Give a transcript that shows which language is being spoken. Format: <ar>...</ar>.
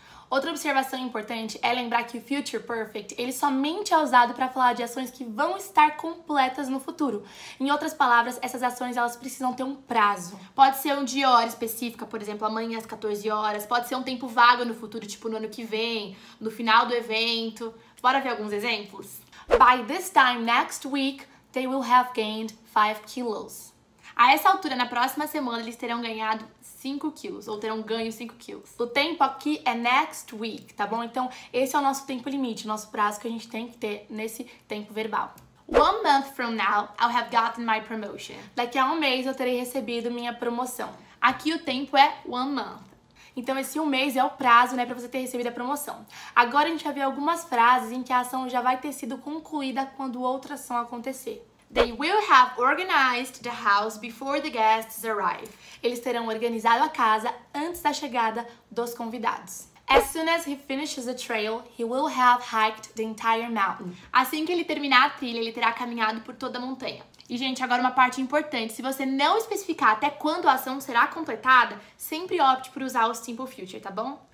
<pt>Outra observação importante é lembrar que o Future Perfect, ele somente é usado para falar de ações que vão estar completas no futuro. Em outras palavras, essas ações, elas precisam ter um prazo. Pode ser um dia e hora específica, por exemplo, amanhã às 14 horas. Pode ser um tempo vago no futuro, tipo no ano que vem, no final do evento. Bora ver alguns exemplos?</pt> <en>By this time next week, they will have gained 5 kilos.</en> <pt>A essa altura, na próxima semana, eles terão ganhado 5 quilos, ou terão ganho 5 quilos. O tempo aqui é next week, tá bom? Então, esse é o nosso tempo limite, o nosso prazo que a gente tem que ter nesse tempo verbal.</pt> <en>One month from now, I'll have gotten my promotion.</en> <pt>Daqui a um mês, eu terei recebido minha promoção. Aqui o tempo é one month. Então, esse um mês é o prazo, né, pra você ter recebido a promoção. Agora, a gente vai ver algumas frases em que a ação já vai ter sido concluída quando outra ação acontecer.</pt> <en>They will have organized the house before the guests arrive.</en> <pt>Eles terão organizado a casa antes da chegada dos convidados.</pt> <en>As soon as he finishes the trail, he will have hiked the entire mountain.</en> <pt>Assim que ele terminar a trilha, ele terá caminhado por toda a montanha. E, gente, agora uma parte importante. Se você não especificar até quando a ação será completada, sempre opte por usar o simple future, tá bom?</pt>